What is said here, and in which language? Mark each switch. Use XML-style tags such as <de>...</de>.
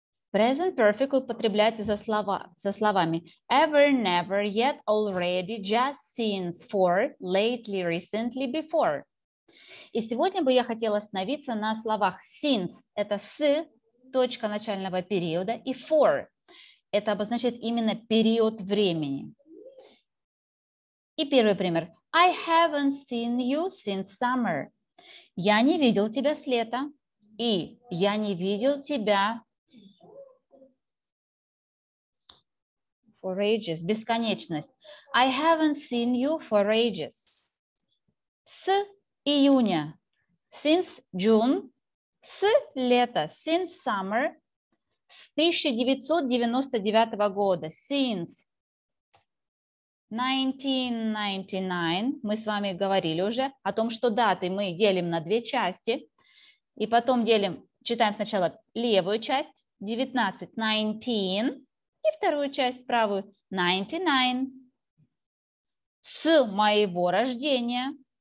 <ru>Present perfect употребляется за слова, со словами ever, never, yet, already, just, since, for, lately, recently, before. И сегодня бы я хотела остановиться на словах since, это с, точка начального периода, и for, это обозначает именно период времени. И первый пример.</ru> <en>I haven't seen you since summer.</en> <ru>Я не видел тебя с лета. И я не видел тебя</ru> <en>for ages,</en> <ru>бесконечность.</ru> <en>I haven't seen you for ages.</en> <ru>С июня,</ru> <en>since June,</en> <ru>с лета,</ru> <en>since summer,</en> <ru>с 1999 года, since 1999, мы с вами говорили уже о том, что даты мы делим на две части, и потом делим, читаем сначала левую часть, 19, 19, и вторую часть, правую, 99, с моего рождения.</ru>